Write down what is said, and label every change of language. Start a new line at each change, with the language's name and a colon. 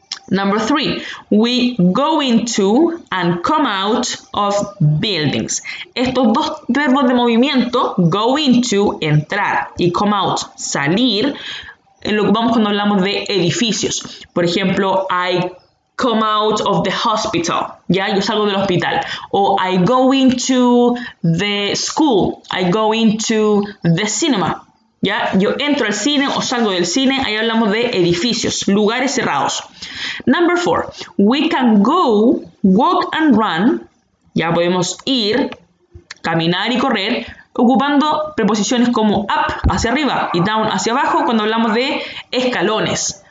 English: Number three, we go into and come out of buildings.
Spanish: Estos dos verbos de movimiento, go into, entrar, y come out, salir, lo ocupamos cuando hablamos de edificios. Por ejemplo,
English: I come out of the hospital,
Spanish: ¿ya? Yo salgo del hospital.
English: O I go into the school, I go into the cinema, ¿ya?
Spanish: Yo entro al cine o salgo del cine, ahí hablamos de edificios, lugares cerrados.
English: Number four, we can go, walk and run,
Spanish: ya podemos ir, caminar y correr, ocupando preposiciones como up, hacia arriba, y down, hacia abajo, cuando hablamos de escalones.